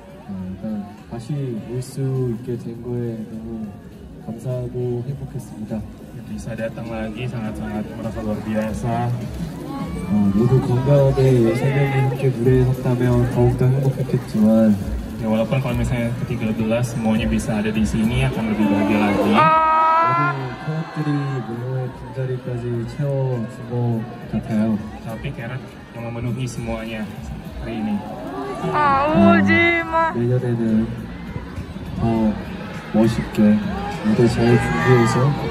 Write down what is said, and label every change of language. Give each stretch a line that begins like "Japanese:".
Korean: 일단 다시 올 수 있게 된 거에 너무 감사하고 행복했습니다.
Indonesian: Bisa datang lagi sangat-sangat merasa luar biasa.
Korean: 모두 건강하게 예선에 이렇게 무대에 섰다면 더욱더 행복했겠지만.
Indonesian: Ya, walaupun kalau misalnya ke-13 semuanya bisa ada di sini akan lebih bahagia lagi.
Korean: 모두 캐럿들이 무대의 빈자리까지 채워준 것 같아요.
Indonesian: Tapi Carrot yang memenuhi semuanya hari ini.
Korean: 아 울지 마. 내년에는 더 멋있게 무대 잘 준비해서